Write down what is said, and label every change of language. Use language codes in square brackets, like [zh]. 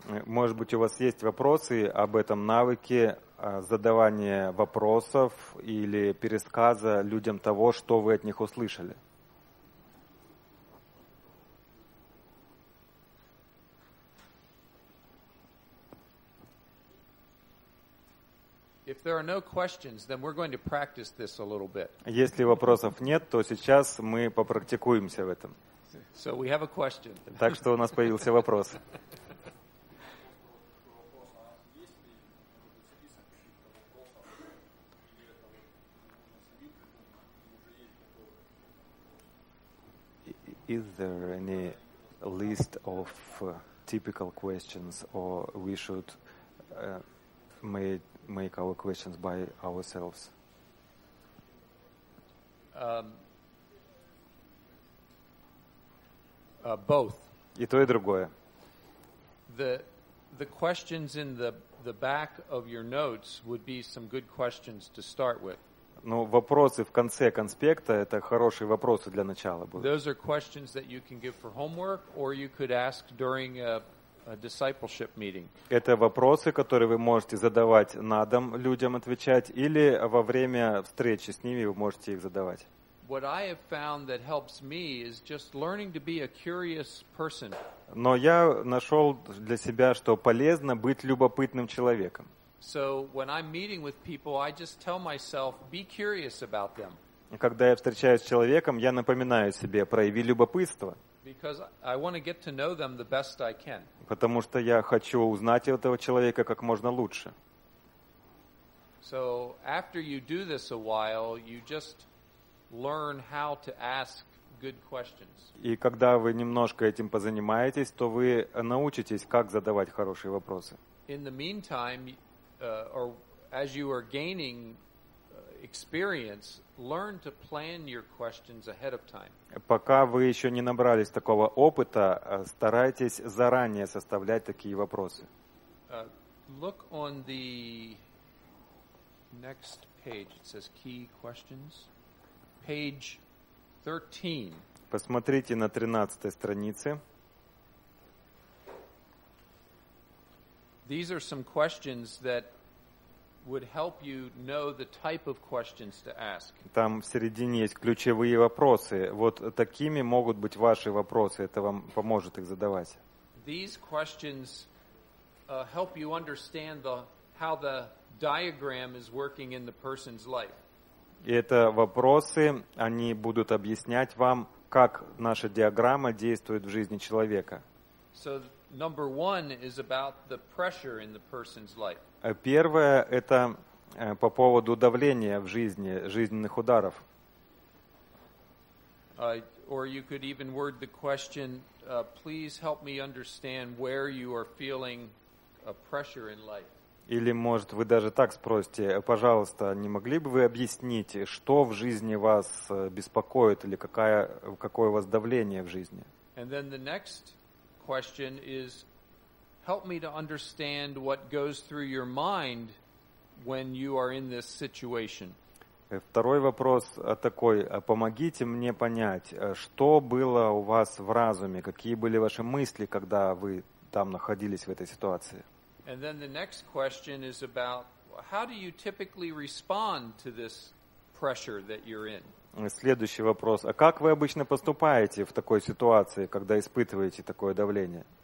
[ru] Может быть, у вас есть вопросы об этом навыке задавания вопросов или пересказа людям того, что вы от них услышали? [en] If there are no questions, then we're going to practice this a little bit. [ru] Если вопросов нет, то сейчас мы попрактикуемся в этом. [en] So we have a question. [ru] Так что у нас появился вопрос. [en] Is there any list of typical questions, or we should make our questions by ourselves? Both. [ru] И то, и другое. [en] The questions in the back of your notes would be some good questions to start with. [ru] Ну, вопросы в конце конспекта — это хорошие вопросы для начала будут. [en] Those are questions that you can give for homework, or you could ask during a discipleship meeting. [ru] Это вопросы, которые вы можете задавать на дом людям отвечать, или во время встречи с ними вы можете их задавать. [en] What I have found that helps me is just learning to be a curious person. [ru] Но я нашел для себя, что полезно быть любопытным человеком. [en] So when I'm meeting with people, I just tell myself, be curious about them. [ru] Когда я встречаюсь с человеком, я напоминаю себе, прояви любопытство. [en] Because I want to get to know them the best I can. [ru] Потому что я хочу узнать этого человека как можно лучше. [en] So after you do this a while, you just learn how to ask good questions. [ru] И когда вы немножко этим позанимаетесь, то вы научитесь, как задавать хорошие вопросы. [en] In the meantime, or as you are gaining experience, learn to plan your questions ahead of time. [ru] Пока вы еще не набрались такого опыта, старайтесь заранее составлять такие вопросы. [en] Look on the next page. It says key questions. Page 13. [ru] Посмотрите на 13-й странице. [en] These are some questions that would help you know the type of questions to ask. [ru] Там в середине есть ключевые вопросы. Вот такими могут быть ваши вопросы. Это вам поможет их задавать. [en] These questions help you understand the how the diagram is working in the person's life. [ru] И это вопросы, они будут объяснять вам, как наша диаграмма действует в жизни человека. [en] So number one is about the pressure in the person's life. [ru] Первое – это по поводу давления в жизни, жизненных ударов. [en] Or you could even word the question, please help me understand where you are feeling a pressure in life. [ru] Или, может, вы даже так спросите, пожалуйста, не могли бы вы объяснить, что в жизни вас беспокоит или какое у вас давление в жизни? [en] And then the next question is, help me to understand what goes through your mind when you are in this situation. [ru] Второй вопрос такой, помогите мне понять, что было у вас в разуме, какие были ваши мысли, когда вы там находились в этой ситуации. [en] And then the next question is about how do you typically respond to this pressure that you're in? [ru] Следующий вопрос, а как вы обычно поступаете в такой ситуации, когда испытываете такое давление?